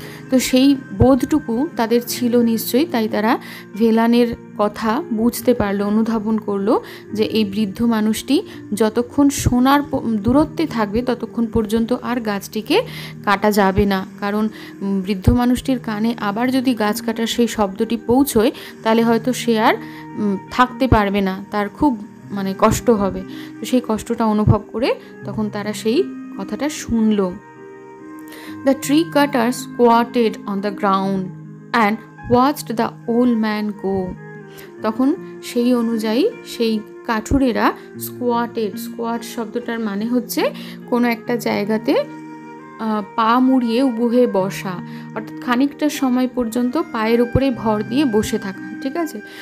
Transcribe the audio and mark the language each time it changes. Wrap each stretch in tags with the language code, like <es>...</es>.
<bn>তো সেই বোধটুকু তাদের ছিল নিশ্চয়ই, তাই তারা ভেলানের কথা বুঝতে পারলো, অনুধাবন করলো যে এই বৃদ্ধ মানুষটি যতক্ষণ শোনার দূরত্বে থাকবে ততক্ষণ পর্যন্ত আর গাছটিকে কাটা যাবে না, কারণ বৃদ্ধ মানুষটির কানে আবার যদি গাছ কাটার সেই শব্দটি পৌঁছয় তাহলে হয়তো সে আর থাকতে পারবে না, তার খুব মানে কষ্ট হবে। তো সেই কষ্টটা অনুভব করে তখন তারা সেই কথাটা শুনলো।</bn> <en>The tree cutters squatted on the ground and watched the old man go.</en> <bn>তখন সেই অনুযায়ী সেই কাঠুরেরা squatted, squat শব্দটার মানে হচ্ছে কোনো একটা জায়গাতে পা মুড়িয়ে উভয়ে বসা, অর্থাৎ খানিকটা সময় পর্যন্ত পায়ের উপরে ভর দিয়ে বসে থাকা, ঠিক আছে?</bn>